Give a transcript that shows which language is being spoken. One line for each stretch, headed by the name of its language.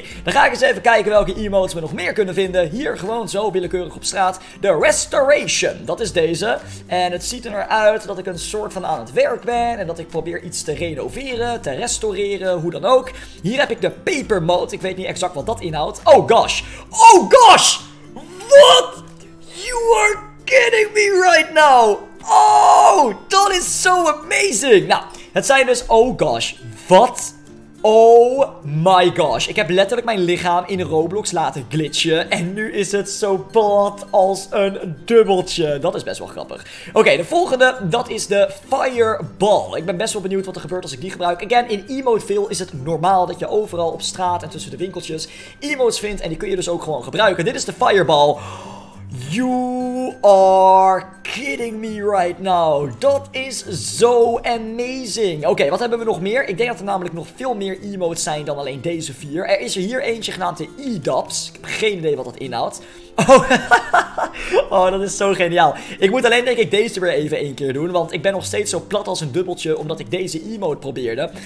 Dutch: Dan ga ik eens even kijken welke emotes we nog meer kunnen vinden. Hier gewoon zo willekeurig op straat. De Restoration. Dat is deze. En het ziet eruit dat ik een soort van aan het werk ben. En dat ik probeer iets te renoveren. Te restaureren. Hoe dan ook. Hier heb ik de Paper Mode. Ik weet niet exact wat dat inhoudt.
English: Oh gosh. Oh gosh. What? You are kidding me right now. Oh. That is so amazing.
Dutch: Nou. Het zijn dus.
English: Oh gosh.
Dutch: Wat?
English: Oh my gosh.
Dutch: Ik heb letterlijk mijn lichaam in Roblox laten glitchen. En nu is het zo plat als een dubbeltje. Dat is best wel grappig. Oké, de volgende, dat is de Fireball. Ik ben best wel benieuwd wat er gebeurt als ik die gebruik. Again, in Emoteville is het normaal dat je overal op straat en tussen de winkeltjes emotes vindt. En die kun je dus ook gewoon gebruiken. Dit is de Fireball.
English: You are kidding me right now.
Dutch: Dat is zo amazing. Oké, wat hebben we nog meer? Ik denk dat er namelijk nog veel meer emotes zijn dan alleen deze 4. Er is er hier eentje genaamd de E-Dubs. Ik heb geen idee wat dat inhoudt. Oh, dat is zo geniaal. Ik moet alleen denk ik deze weer even 1 keer doen. Want ik ben nog steeds zo plat als een dubbeltje omdat ik deze emote probeerde.